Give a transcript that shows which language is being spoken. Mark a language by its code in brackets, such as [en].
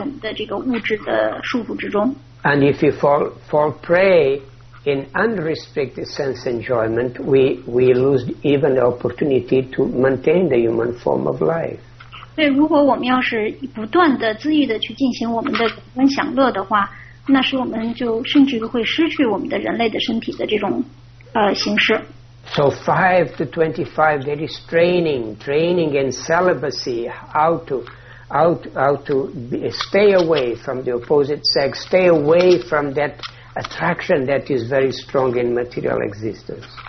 [zh] 这样就会让我们就一直的留在我们的这个物质的束缚之中。 [en] And if you fall prey in unrestricted sense enjoyment, we lose even the opportunity to maintain the human form of life. [zh] 对，如果我们要是不断的恣意的去进行我们的感官享乐的话，那是我们就甚至会失去我们的人类的身体的这种形式。 [en] So 5 to 25, there is training and celibacy, how to stay away from the opposite sex, stay away from that attraction that is very strong in material existence.